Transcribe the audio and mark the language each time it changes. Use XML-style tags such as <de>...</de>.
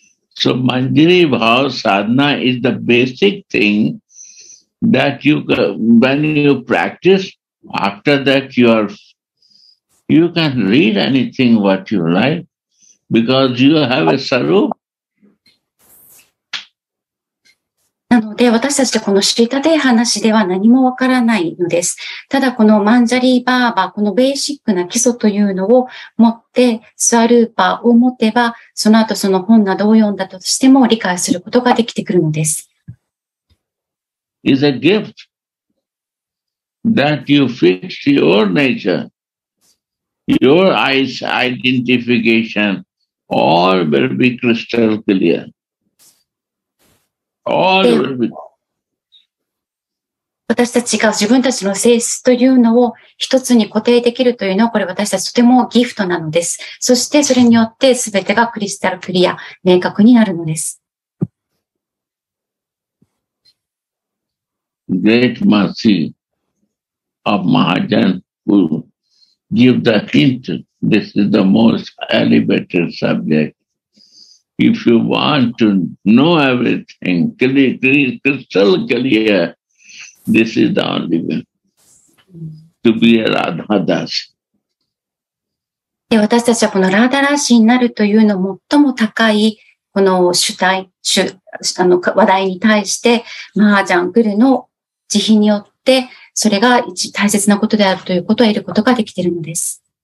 <en>So Manjari Bhav Sadhana is the basic thing that you, when you practice, after that you can read anything what you like because you have a sarup.</en> <ja>なので私たちはこのシリタデーハなしでは何もわからないのです。ただこのマンジャリーバーバー、このベーシックな基礎というのを持ってスワルーパーを持てば、その後その本などを読んだとしても理解することができてくるのです。</ja> <en>It's a gift that you fix your nature, your eyes identification, all will be crystal clear.</en> <ja>私たちが自分たちの性質というのを一つに固定できるというのは、これ私たちとてもギフトなのです。そしてそれによって全てがクリスタルクリア、明確になるのです。</ja> <en>Great mercy of Mahajan who give the hint, this is the most elevated subject. If you want to know everything crystal clear, this is the only way to be a Radha Dasi.</en> <ja>私たちはこのラーダラシになるというのを最も高いこの主体、話題に対して、マハジャングルの慈悲によって、それが一大切なことであるということを得ることができているのです。</ja>